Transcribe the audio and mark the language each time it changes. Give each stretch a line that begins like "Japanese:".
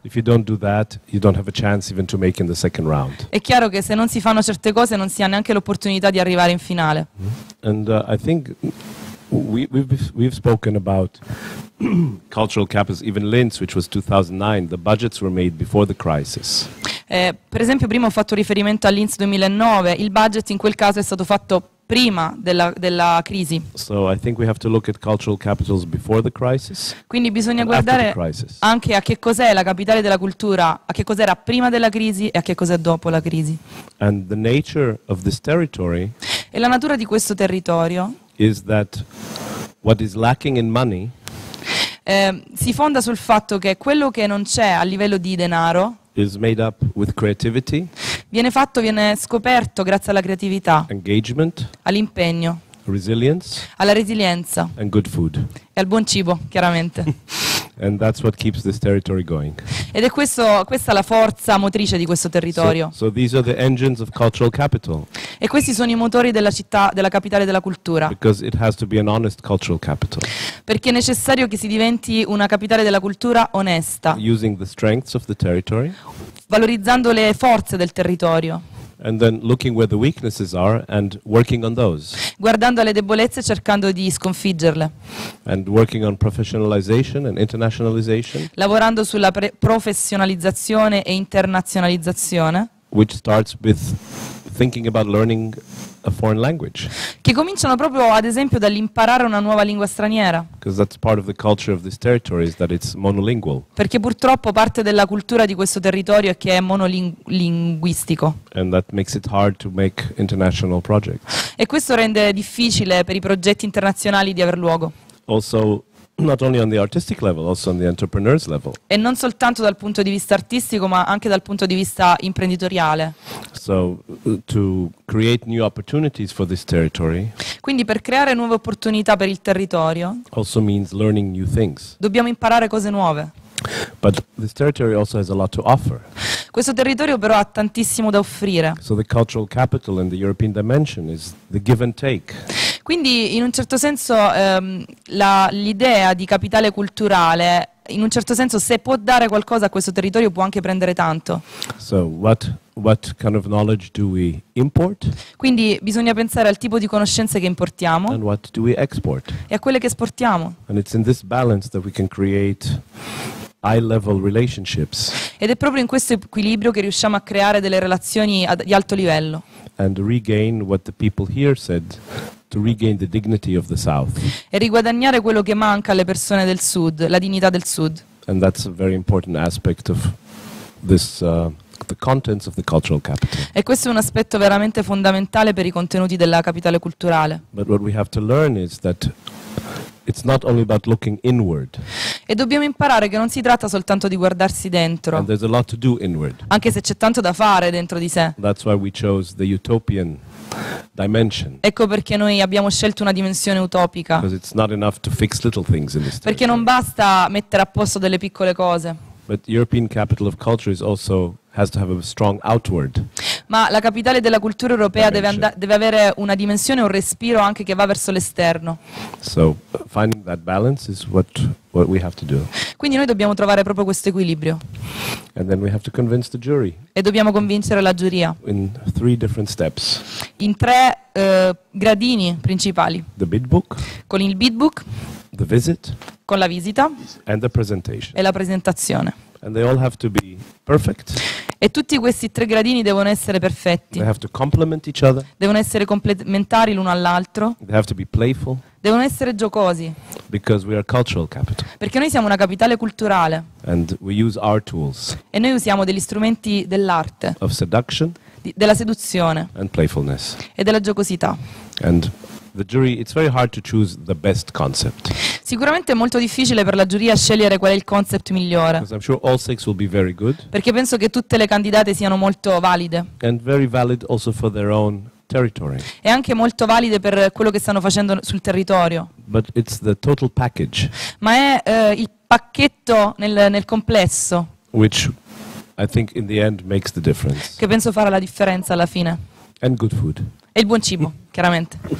English: If you don't do that, you don't have a chance even to make in the second round.
Italian: È chiaro che se non si fanno certe cose non si ha neanche l'opportunità di arrivare in finale.
English: And I think we've spoken about cultural capitals, even Linz, which was 2009. The budgets were made before the crisis.
Italian: Per esempio, prima ho fatto riferimento all'Linz 2009. Il budget in quel caso è stato fatto prima della crisi.
English: So I think we have to look at cultural capitals before the crisis.
Italian: Quindi bisogna guardare anche a che cos'è la capitale della cultura, a che cos'era prima della crisi e a che cos'è dopo la crisi.
English: And the nature of this territory.
Italian: E la natura di questo territorio.
English: Is that what is lacking in money?
Italian: Si fonda sul fatto che quello che non c'è a livello di denaro
English: is made up with creativity,
Italian: viene scoperto grazie alla creatività,
English: engagement,
Italian: all'impegno,
English: resilience,
Italian: alla resilienza,
English: and good food.
Italian: E al buon cibo, chiaramente.
English: And that's what keeps this territory going.
Italian: Ed è questa la forza motrice di questo territorio.
English: So these are the engines of cultural capital.
Italian: E questi sono i motori della città, della capitale della cultura.
English: Because it has to be an honest cultural capital.
Italian: Perché è necessario che si diventi una capitale della cultura onesta.
English: Using the strengths of the territory.
Italian: Valorizzando le forze del territorio.
English: And then looking where the weaknesses are and working on those.
Italian: Guardando alle debolezze e cercando di sconfiggerle.
English: And working on professionalization and internationalization.
Italian: Lavorando sulla professionalizzazione e internazionalizzazione.
English: Which starts with thinking about learning a foreign language.
Italian: Che cominciano proprio, ad esempio, dall'imparare una nuova lingua straniera.
English: Because that's part of the culture of this territory is that it's monolingual.
Italian: Perché purtroppo parte della cultura di questo territorio è che è monolinguistico.
English: And that makes it hard to make international projects.
Italian: E questo rende difficile per i progetti internazionali di aver luogo.
English: Also not only on the artistic level, also on the entrepreneur's level.
Italian: E non soltanto dal punto di vista artistico, ma anche dal punto di vista imprenditoriale.
English: So to create new opportunities for this territory.
Italian: Quindi per creare nuove opportunità per il territorio.
English: Also means learning new things.
Italian: Dobbiamo imparare cose nuove.
English: But this territory also has a lot to offer.
Italian: Questo territorio però ha tantissimo da offrire.
English: So the cultural capital in the European dimension is the give and take.
Italian: Quindi in un certo senso l'idea di capitale culturale, in un certo senso se può dare qualcosa a questo territorio può anche prendere tanto.
English: So what kind of knowledge do we import?
Italian: Quindi bisogna pensare al tipo di conoscenze che importiamo.
English: And what do we export?
Italian: E a quelle che esportiamo.
English: And it's in this balance that we can create high level relationships.
Italian: Ed è proprio in questo equilibrio che riusciamo a creare delle relazioni di alto livello.
English: And regain what the people here said. To regain the dignity of the South.
Italian: E riguadagnare quello che manca alle persone del Sud, la dignità del Sud.
English: And that's a very important aspect of this, the contents of the cultural capital.
Italian: E questo è un aspetto veramente fondamentale per i contenuti della capitale culturale.
English: But what we have to learn is that it's not only about looking inward.
Italian: E dobbiamo imparare che non si tratta soltanto di guardarsi dentro.
English: And there's a lot to do inward.
Italian: Anche se c'è tanto da fare dentro di sé.
English: That's why we chose the utopian. Dimension.
Italian: Ecco perché noi abbiamo scelto una dimensione utopica.
English: Because it's not enough to fix little things in this territory.
Italian: Perché non basta mettere a posto delle piccole cose.
English: But European capital of culture is also has to have a strong outward.
Italian: Ma la capitale della cultura europea deve avere una dimensione, un respiro anche che va verso l'esterno.
English: So finding that balance is what we have to do.
Italian: Quindi noi dobbiamo trovare proprio questo equilibrio.
English: And then we have to convince the jury.
Italian: E dobbiamo convincere la giuria.
English: In three different steps.
Italian: In tre gradini principali.
English: The bid book.
Italian: Con il bid book.
English: The visit.
Italian: Con la visita.
English: And the presentation.
Italian: E la presentazione.
English: And they all have to be perfect.
Italian: E tutti questi tre gradini devono essere perfetti.
English: They have to complement each other.
Italian: Devono essere complementari l'uno all'altro.
English: They have to be playful.
Italian: Devono essere giocosi.
English: Because we are cultural capital.
Italian: Perché noi siamo una capitale culturale.
English: And we use our tools.
Italian: E noi usiamo degli strumenti dell'arte.
English: Of seduction.
Italian: Della seduzione.
English: And playfulness.
Italian: E della giocosità.
English: And the jury, it's very hard to choose the best concept.
Italian: Sicuramente è molto difficile per la giuria scegliere qual è il concept migliore.
English: Because I'm sure all six will be very good.
Italian: Perché penso che tutte le candidate siano molto valide.
English: And very valid also for their own territory.
Italian: E anche molto valide per quello che stanno facendo sul territorio.
English: But it's the total package.
Italian: Ma è il pacchetto nel complesso.
English: Which I think in the end makes the difference.
Italian: Che penso farà la differenza alla fine.
English: And good food.
Italian: E il buon cibo, chiaramente.